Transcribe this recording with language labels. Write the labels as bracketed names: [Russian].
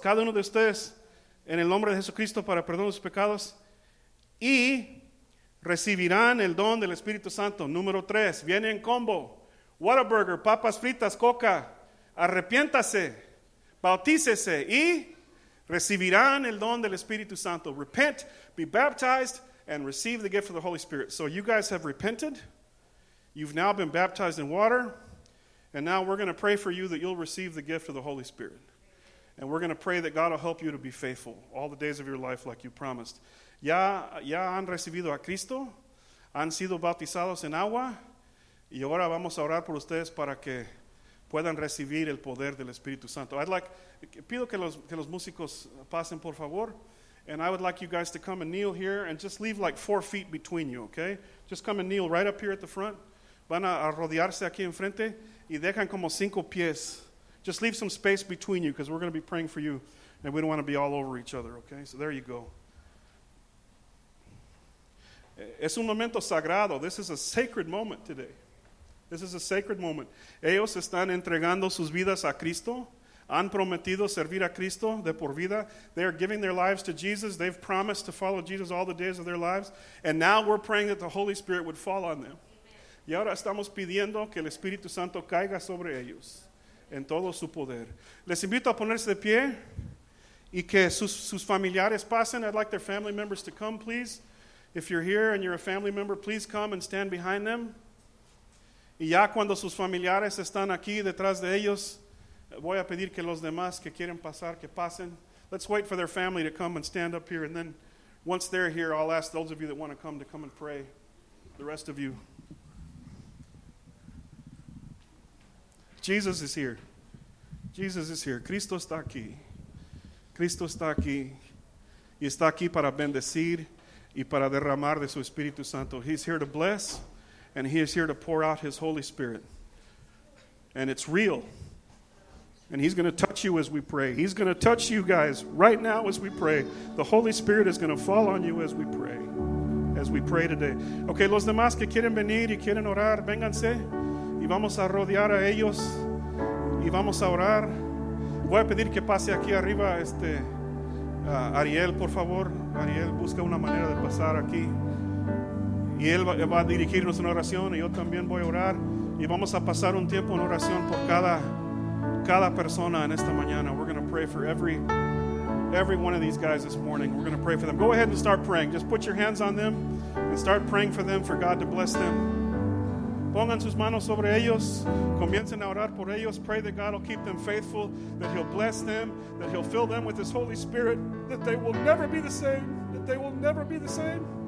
[Spanish] Cada uno de ustedes en el nombre de Jesucristo para perdón de sus pecados. Y recibirán el don del Espíritu Santo. Número tres. Viene en combo. Whataburger, papas fritas, coca. Arrepiéntase, bautícese, y recibirán el don del Espíritu Santo. [English] Repent, be baptized, and receive the gift of the Holy Spirit. So you guys have repented. You've now been baptized in water. And now we're going to pray for you that you'll receive the gift of the Holy Spirit. And we're going to pray that God will help you to be faithful all the days of your life like you promised. [Spanish] Ya han recibido a Cristo. Han sido bautizados en agua. Y ahora vamos a orar por ustedes para que puedan recibir el poder del Espíritu Santo. [English] I'd like, [Spanish] pido que los músicos pasen, por favor. [English] And I would like you guys to come and kneel here and just leave like 4 feet between you, okay? Just come and kneel right up here at the front. [Spanish] Van a arrodillarse aquí enfrente y dejan como 5 pies. [English] Just leave some space between you because we're going to be praying for you and we don't want to be all over each other, okay? So there you go. [Spanish] Es un momento sagrado. [English] This is a sacred moment today. This is a sacred moment. [Spanish] Ellos están entregando sus vidas a Cristo. Han prometido servir a Cristo de por vida. [English] They are giving their lives to Jesus. They've promised to follow Jesus all the days of their lives. And now we're praying that the Holy Spirit would fall on them. Amen. [Spanish] Y ahora estamos pidiendo que el Espíritu Santo caiga sobre ellos en todo su poder. Les invito a ponerse de pie y que sus familiares pasen. [English] I'd like their family members to come, please. If you're here and you're a family member, please come and stand behind them. [Spanish] Y ya cuando sus familiares están aquí detrás de ellos, voy a pedir que los demás que quieren pasar, que pasen. [English] Let's wait for their family to come and stand up here. And then once they're here, I'll ask those of you that want to come and pray. The rest of you. Jesus is here. Jesus is here. [Spanish] Cristo está aquí. Cristo está aquí. Y está aquí para bendecir y para derramar de su Espíritu Santo. [English] He's here to bless and he is here to pour out his Holy Spirit. And it's real. And he's going to touch you as we pray. He's going to touch you guys right now as we pray. The Holy Spirit is going to fall on you as we pray. As we pray today. [Spanish] Okay, los demás que quieren venir y quieren orar, vénganse. Y vamos a rodear a ellos. Y vamos a orar. Voy a pedir que pase aquí arriba Ariel, por favor. Ariel, busca una manera de pasar aquí. Y él va a dirigirnos en oración. Y yo también voy a orar. Y vamos a pasar un tiempo en oración por cada persona en esta mañana. [English] We're going to pray for every one of these guys this morning. We're going to pray for them. Go ahead and start praying. Just put your hands on them and start praying for them, for God to bless them. [Spanish] Pongan sus manos sobre ellos. Comiencen a orar por ellos. [English] Pray that God will keep them faithful, that he'll bless them, that he'll fill them with his Holy Spirit, that they will never be the same, that they will never be the same.